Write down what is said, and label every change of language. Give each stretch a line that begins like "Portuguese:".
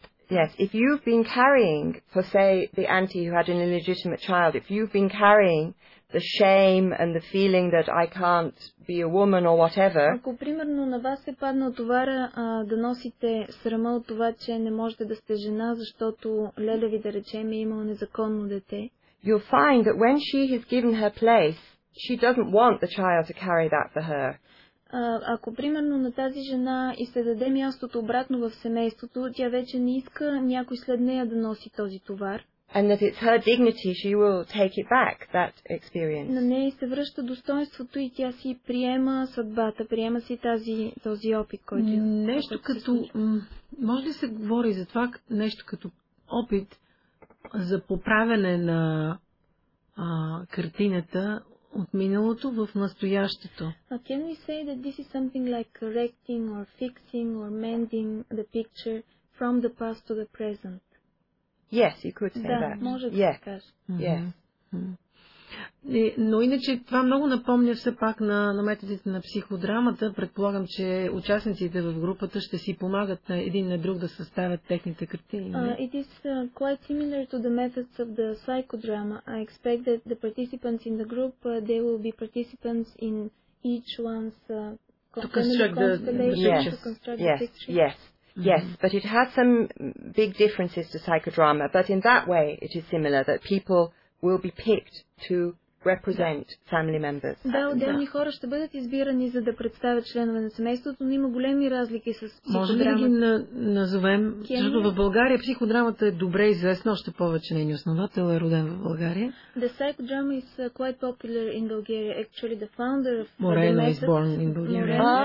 English: Yes, if you've been carrying, for say, the auntie who had an illegitimate child, if you've been carrying the shame and the feeling that I can't be a woman or whatever.
Bulgarian: Ако примерно на вас се падна товара да носите срама от това, че не можете да сте жена, защото Леля ви, да речем, е имала незаконно дете.
English: You'll find that when she has given her place, she doesn't want the child to carry that for her.
Bulgarian: Ако примерно на тази жена и се даде мястото обратно в семейството, тя вече не иска някой след нея да носи този товар.
English: And that it's her dignity, she will take it back, that experience.
Bulgarian: На нея се връща достоинството и тя си приема съдбата, приема си този опит, който... Нещо като... Може ли се говори за това нещо като опит за поправяне на картината от миналото в настоящето?
English: Can we say that this is something like correcting or fixing or mending the picture from the past to the present? Yes, you could say
Bulgarian: да,
English: that.
Bulgarian: Да, може
English: yes.
Bulgarian: да кажа. Но иначе това много напомня все пак на методите на психодрамата. Предполагам, че участниците в групата ще си помагат на един на друг да съставят техните картини.
English: It is quite similar to the methods of the psychodrama. I expect that the participants in the group, they will be participants in each one's to construct the yes. To construct yes. The picture. Yes. Yes, but it has some big differences to psychodrama, but in that way it is similar, that people will be picked to represent family members.
Bulgarian: Да, отделни хора ще бъдат избирани, за да представят членове на семейството, но има големи разлики с психодрамата. Може ли да ги назовем? Защото в България психодрамата е добре известна, още повече нейни основател е роден в България.
English: The psychodrama is quite popular in Bulgaria. Actually, the founder of Morena is born in Bulgaria.